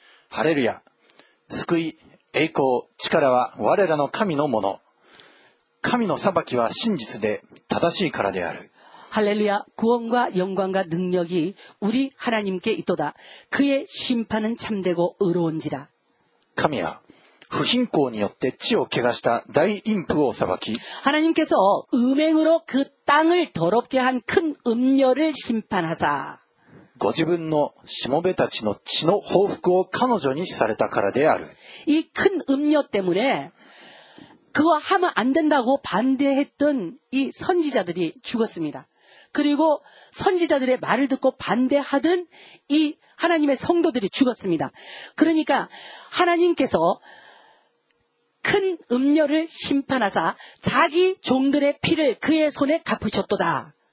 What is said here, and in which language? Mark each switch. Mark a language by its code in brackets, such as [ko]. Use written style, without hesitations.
[ja] 할렐루야救い栄光力は我らの神のもの神の裁きは真実で正しいからである [ko] 할렐루야구원과영광과능력이우리하나님께있도다그의심판은참되고의로운지라 [ja] 神は不貧困によって地を汚した大淫婦を裁き [ko] 하나님께서음행으로그땅을더럽게한큰음녀를심판하사 [ja] ご自分のしもべたちの血の報復を彼女にされたからである [ko] 이큰음녀때문에그거하면안된다고반대했던이선지자들이죽었습니다그리고선지자들의말을듣고반대하던이하나님의성도들이죽었습니다그러니까하나님께서큰음녀를심판하사자기종들의피를그의손에갚으셨도다